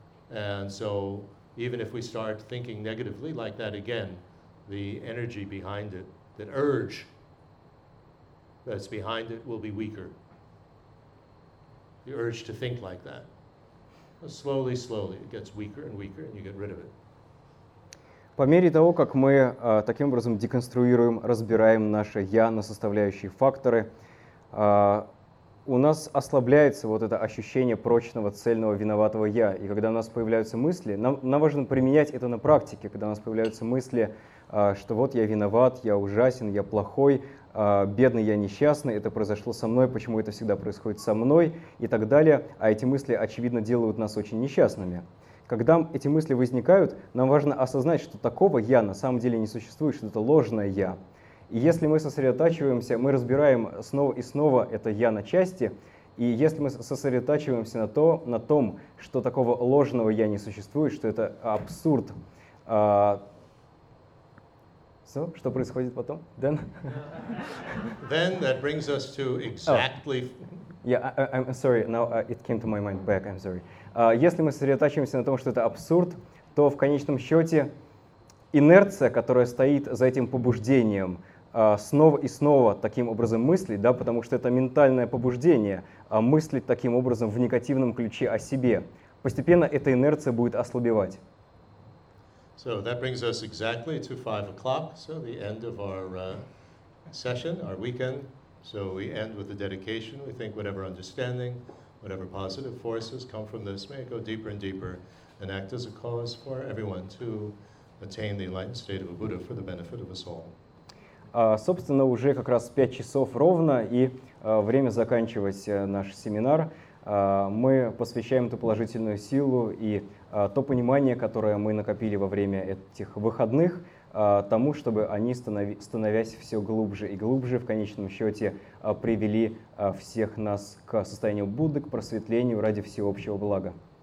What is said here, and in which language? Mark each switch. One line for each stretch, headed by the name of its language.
English: And so even if we start thinking negatively like that again, the energy behind it, that urge that's behind it will be weaker. The urge to think like that. But slowly, slowly, it gets weaker and weaker and you get rid of it.
Russian: По мере того, как мы таким образом деконструируем, разбираем наше «я» на составляющие факторы, у нас ослабляется вот это ощущение прочного, цельного, виноватого «я». И когда у нас появляются мысли, нам важно применять это на практике, когда у нас появляются мысли, что вот я виноват, я ужасен, я плохой, бедный, я несчастный, это произошло со мной, почему это всегда происходит со мной и так далее. А эти мысли, очевидно, делают нас очень несчастными. Когда эти мысли возникают, нам важно осознать, что такого «я» на самом деле не существует, что это ложное «я». И если мы сосредотачиваемся, мы разбираем снова и снова это «я» на части, и если мы сосредотачиваемся на том, что такого ложного «я» не существует, что это абсурд. So, что происходит потом?
English: Then? Then that brings us to exactly... Oh. Yeah, I'm sorry, now it came to my mind back, I'm sorry.
Russian: Если мы сосредотачиваемся на том, что это абсурд, то в конечном счете инерция, которая стоит за этим побуждением, снова и снова таким образом мыслить, да, потому что это ментальное побуждение, мыслить таким образом в негативном ключе о себе, постепенно эта инерция будет ослабевать.
English: So that brings us exactly to 5 o'clock, so the end of our session, our weekend. So we end with the dedication. We think whatever understanding, whatever positive forces come from this, may it go deeper and deeper and act as a cause for everyone to attain the enlightened state of a Buddha for the benefit of us all.
Russian: Собственно, уже как раз 5 часов ровно, и время заканчивать наш семинар. Мы посвящаем ту положительную силу и то понимание, которое мы накопили во время этих выходных, тому, чтобы они, становясь все глубже и глубже, в конечном счете привели всех нас к состоянию Будды, к просветлению ради всеобщего блага.